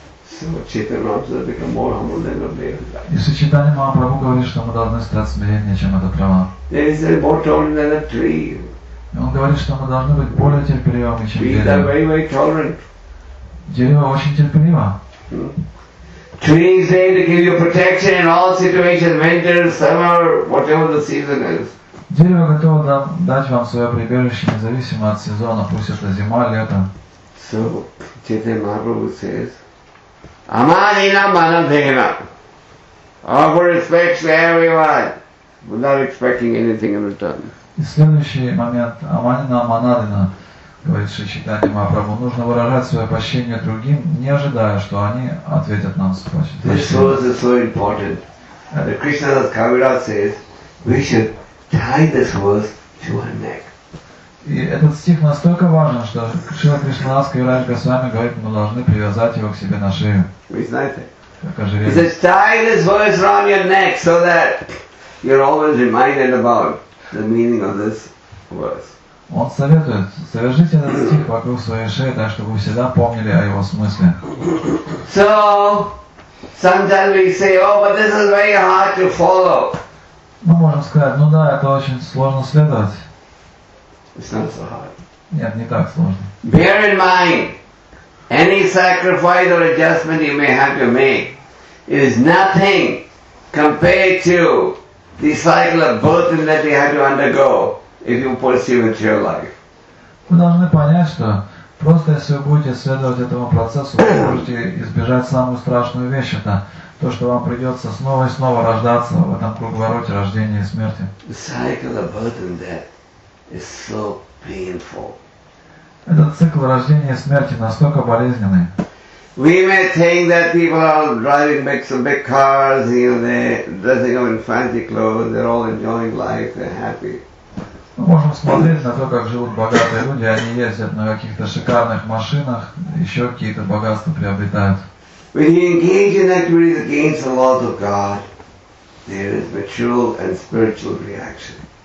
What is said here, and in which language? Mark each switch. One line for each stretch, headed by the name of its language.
Russian: И Шри Чайтанья Махапрабху говорит, что мы должны стать смиреннее, чем эта трава. И он говорит, что мы должны быть более терпеливыми, чем дерево. Дерево очень терпеливо.
English: Trees there to give you protection in all situations, winter, summer, whatever the season is.
Russian: Дерево готово дать вам свое прибежище, независимо от сезона, пусть это зима, лето.
English: So, Chaitanya Mahaprabhu says, Amanina Manadena. Offer respect to everyone, without expecting anything in return.
Russian: И следующий момент, Аманина Манадина, говорит Шри Чайтанья Махапрабху, нужно выражать свое почтение другим, не ожидая, что они ответят нам с почтением.
English: This source is so important. And the Krishna Das Kaviraj says, we should tie this verse to our neck.
Russian: И этот стих настолько важен, что Шрила Кришнадас Кавираджа Госвами говорит, мы должны привязать его к себе на шею. Вы знаете?
English: He says, tie this verse around your neck so that you're always reminded about the meaning of this verse.
Russian: Он советует, завяжите этот стих вокруг своей шеи, так чтобы вы всегда помнили о его смысле.
English: So, sometimes we say, oh, but this is very hard to follow.
Russian: Мы можем сказать, ну да, это очень сложно следовать.
English: It's not so hard.
Russian: Нет, не так сложно.
English: Bear in mind, any sacrifice or adjustment you may have to make is nothing compared to the cycle of birth that you have to undergo if you pursue it your life.
Russian: Вы должны понять, что просто если вы будете следовать этому процессу, вы можете избежать самую страшную вещь, это то, что вам придется снова и снова рождаться в этом круговороте рождения и смерти.
English: The cycle of birth and death. It's so painful.
Russian: Этот цикл рождения и смерти настолько болезненный.
English: We may think that people are driving big, some big cars, you know, they're dressing up in fancy clothes, they're all enjoying life, they're happy.
Russian: Мы можем смотреть на то, как живут богатые люди, они ездят на каких-то шикарных машинах, еще какие-то богатства приобретают.
English: When you engage in activities against the laws of God, there is material and spiritual reaction.